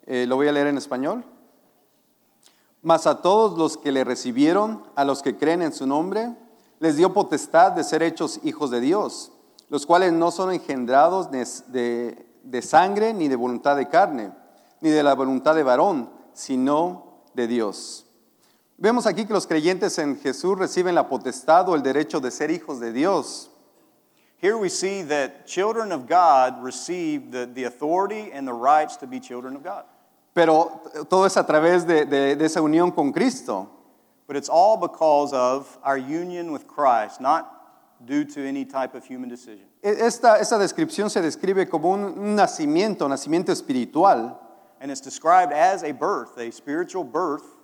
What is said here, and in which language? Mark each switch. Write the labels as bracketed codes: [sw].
[es] Lo voy a leer en español. Mas a todos los que le recibieron, a los que creen en su nombre, les dio potestad de ser hechos hijos de Dios, los cuales no son engendrados de sangre ni de voluntad de carne, ni de la voluntad de varón, sino de Dios. Vemos aquí que los creyentes en Jesús reciben la potestad o el derecho de ser hijos de Dios. [en] Here we see that children of God receive the authority and the rights to be children of God. [es] Pero todo es a través de esa unión con Cristo. [en] But it's all because of our union with Christ, not due to any type of human decision. [es] Esta descripción se describe como un nacimiento espiritual. [en] And it's described as a birth, a spiritual birth.